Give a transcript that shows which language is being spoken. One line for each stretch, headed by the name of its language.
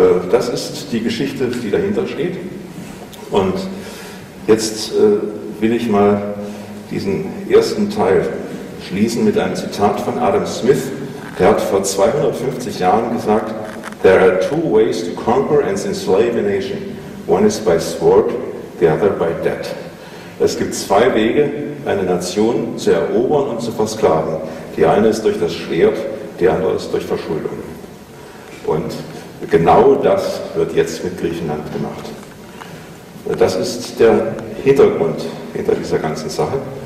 German: Das ist die Geschichte, die dahinter steht. Und jetzt will ich mal diesen ersten Teil schließen mit einem Zitat von Adam Smith. Der hat vor 250 Jahren gesagt,
English: "There are 2 ways to conquer and enslave a nation. One is by sword, the other by debt."
German: Es gibt 2 Wege, eine Nation zu erobern und zu versklaven. Die eine ist durch das Schwert, die andere ist durch Verschuldung. Und genau das wird jetzt mit Griechenland gemacht. Das ist der Hintergrund hinter dieser ganzen Sache.